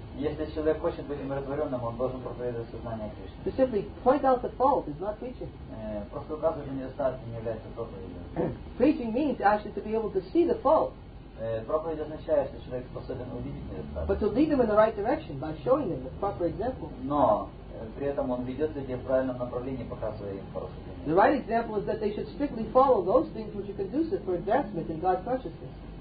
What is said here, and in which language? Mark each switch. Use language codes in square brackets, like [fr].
[ru] Если человек хочет быть умиротворенным, он должен проповедовать сознание Кришны. [en] To simply point out the fault is not preaching. [ru] Просто указывать на недостатки не является проповедью. [en] Preaching means actually to be able to see the fault. [ru] Проповедь означает, что человек способен увидеть недостатки. [en] But to lead them in the right direction by showing them the proper example. [ru] Но при этом он ведет людей в правильном направлении, показывая им хорошее. [en] The right example is that they should strictly follow those things which are conducive for advancement in God consciousness.